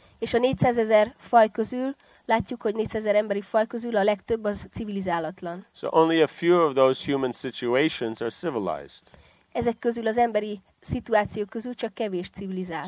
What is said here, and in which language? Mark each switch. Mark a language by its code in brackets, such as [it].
[hu] És a 400,000 faj közül látjuk, hogy 400,000 emberi faj közül a legtöbb az civilizálatlan. [en] So only a few of those human situations are civilized. [hu] Ezek közül az emberi szituációk közül csak kevés civilizált.